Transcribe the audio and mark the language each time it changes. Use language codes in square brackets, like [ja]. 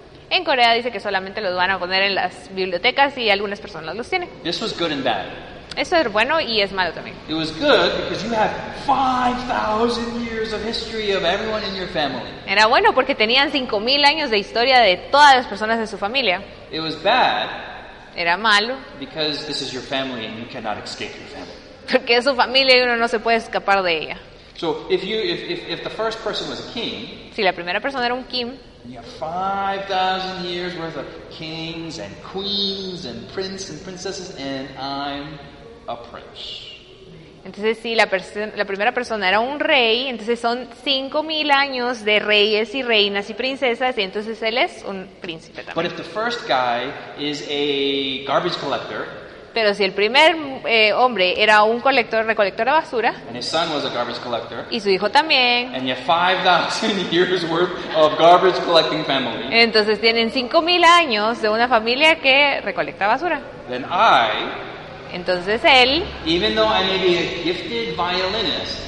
[es] En Corea dice que solamente los van a poner en las bibliotecas y algunas personas los tienen. [en] This was good and bad. [es] Eso es bueno y es malo también. [en] It was good because you have 5,000 years of history of everyone in your family. [es] Era bueno porque tenían 5,000 años de historia de todas las personas de su familia. [en] It was bad. [es] Era malo. [en] Because this is your family and you cannot escape your family. [es] Porque es su familia y uno no se puede escapar de ella. [en] So if the first person was a king. [es] Si la primera persona era un king. [en] You have 5,000 years worth of kings and queens and prince and princesses, and I'm a prince. [es] Entonces, si la primera persona era un rey, entonces son 5,000 años de reyes y reinas y princesas, y entonces él es un príncipe también. [en] But if the first guy is a garbage collector. [es] Pero si el primer hombre era un colector, recolector de basura, [en] and his son was a garbage collector, [es] y su hijo también, [en] and you have 5,000 years worth of garbage collecting family, [es] entonces tienen 5,000 años de una familia que recolecta basura. [en] Then I, [es] entonces él, [en] even though I may be a gifted violinist,